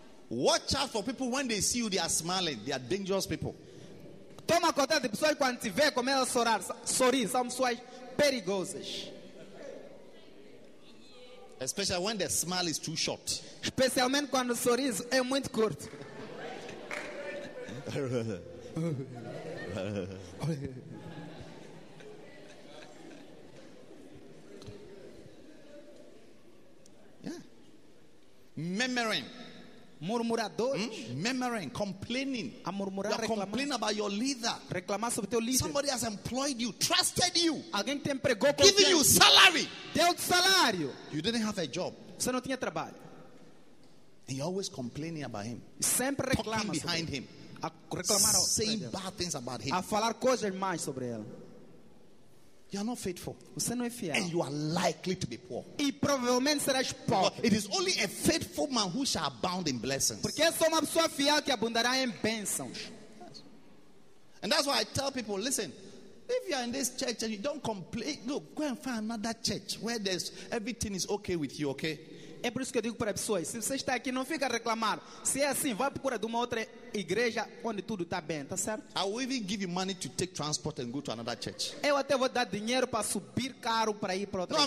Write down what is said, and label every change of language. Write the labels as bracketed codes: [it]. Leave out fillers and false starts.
[en] Watch out for people when they see you, they are smiling. They are dangerous people. [pt] Toma conta de pessoas quando te vê, começa a sorrir, são pessoas perigosas. [en] Especially when the smile is too short. [pt] Especialmente quando o sorriso é muito curto. [en] Yeah. Murmuring. [pt] Murmuradores. [en] Murmuring, complaining. [pt] A murmurar, reclamar. [en] Complain about your leader. [pt] Reclamar sobre teu líder. [en] Somebody has employed you, trusted you. [pt] Alguém te empregou, [en] giving you salary. [pt] Deu salário. [en] You didn't have a job. [pt] Você não tinha trabalho. [en] And you're always complaining about him. [pt] Sempre reclama. [en] Talking behind him. [pt] A reclamar, [en] saying bad things about him. [pt] A falar coisas mais sobre ele. [en] You are not faithful. [pt] Você não é fiel. [en] And you are likely to be poor. [pt] E provavelmente serás pobre. [en] But it is only a faithful man who shall abound in blessings. [pt] Porque é só uma pessoa fiel que abundará em bênçãos. [en] And that's why I tell people, listen, if you are in this church and you don't complain, look, go and find another church where there's everything is okay with you, okay? [pt] É por isso que eu digo para as pessoas, se você está aqui, não fica a reclamar. Se é assim, vá procurar de uma outra igreja onde tudo está bem, está certo? [en] I will even give you money to take transport and go to another church. [pt] Eu até vou dar dinheiro para subir caro para ir para outra igreja.